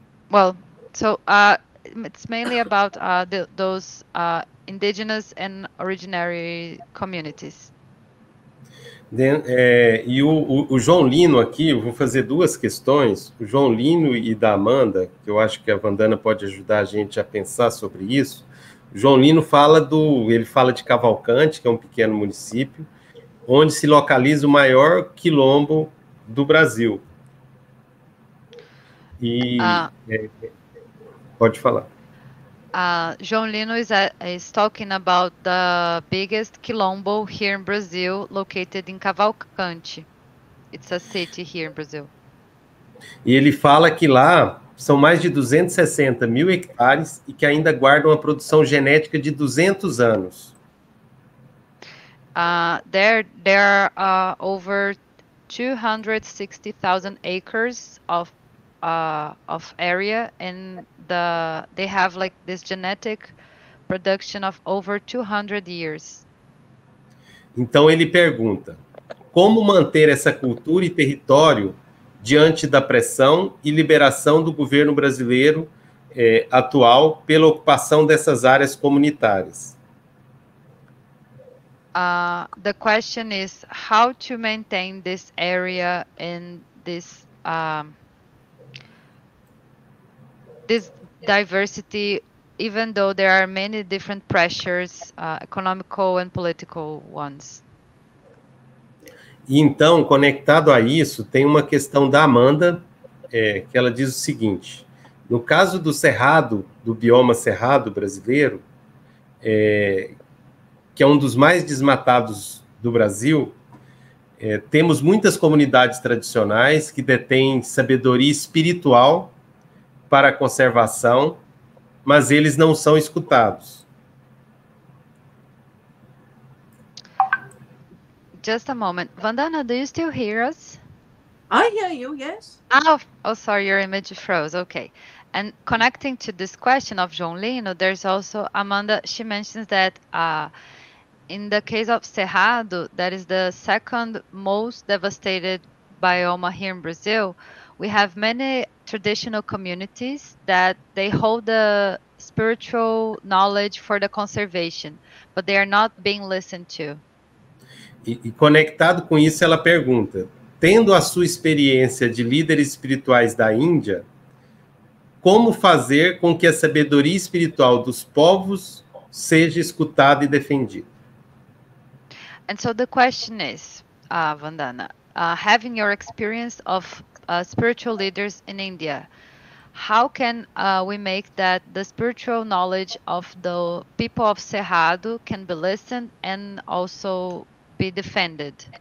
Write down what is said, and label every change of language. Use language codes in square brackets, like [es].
[en] Well, so it's mainly about those indigenous and originary communities. [pt] E o João Lino aqui, eu vou fazer duas questões. O João Lino e da Amanda, que eu acho que a Vandana pode ajudar a gente a pensar sobre isso. O João Lino ele fala de Cavalcante, que é um pequeno município, onde se localiza o maior quilombo do Brasil. Pode falar. [en] João Lino is talking about the biggest quilombo here in Brazil, located in Cavalcante. It's a city here in Brazil. [pt] E ele fala que lá são mais de 260 mil hectares e que ainda guardam a produção genética de 200 anos. [en] There are over 260,000 acres of area, and they have like this genetic production of over 200 years. [pt] Então ele pergunta: como manter essa cultura e território diante da pressão e liberação do governo brasileiro, atual pela ocupação dessas áreas comunitárias? [en] The question is how to maintain this area in this this diversity, even though there are many different pressures, economical and political ones. [pt] E então, conectado a isso, tem uma questão da Amanda, que ela diz o seguinte: no caso do Cerrado, do bioma Cerrado brasileiro, que é um dos mais desmatados do Brasil, temos muitas comunidades tradicionais que detêm sabedoria espiritual para a conservação, mas eles não são escutados. [en] Just a moment. Vandana, do you still hear us? I hear you, yes. Oh, sorry, your image froze. Okay. And connecting to this question of João Lino, there's also Amanda. She mentions that in the case of Cerrado, that is the second most devastated bioma here in Brazil, we have many traditional communities that they hold the spiritual knowledge for the conservation, but they are not being listened to. [pt] E conectado com isso, ela pergunta: tendo a sua experiência de líderes espirituais da Índia, como fazer com que a sabedoria espiritual dos povos seja escutada e defendida? [en] And so the question is, Vandana, having your experience of spiritual leaders in India, how can we make that the spiritual knowledge of the people of Cerrado can be listened and also be defended?